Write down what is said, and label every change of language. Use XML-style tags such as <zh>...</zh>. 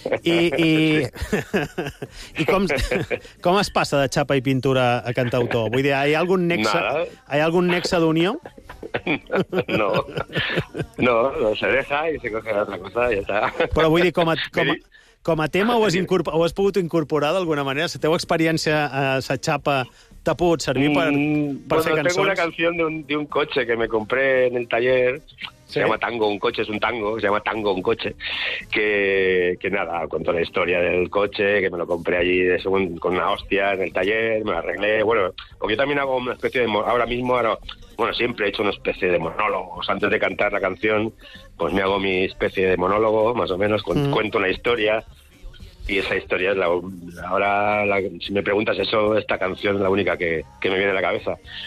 <es>Y pintura. Y sí. ¿Cómo es pasa de chapa y pintura a cantautor?</es> <ca>Vull dir,</ca> <es>¿hay algún nexo? ¿Hay algún nexo de unión? No, se deja y se coge otra cosa y ya está.</es> <ca>Però vull dir, com a, com a, com a tema ho has pogut incorporar d'alguna manera? La teva experiència a la xapa t'ha pogut servir per bueno, fer cançons?</ca> <es>Tengo una canción de un coche que me compré en el taller. Sí. Se llama Tango, un coche, es un tango, se llama Tango, un coche, que nada, contó la historia del coche, que me lo compré allí de segundo, con una hostia en el taller, me lo arreglé, bueno, porque yo también hago una especie de, ahora mismo, ahora, bueno, siempre he hecho una especie de monólogos, antes de cantar la canción, pues me hago mi especie de monólogo, más o menos, cuento una historia, y esa historia es ahora, si me preguntas eso, esta canción es la única que me viene a la cabeza.</es>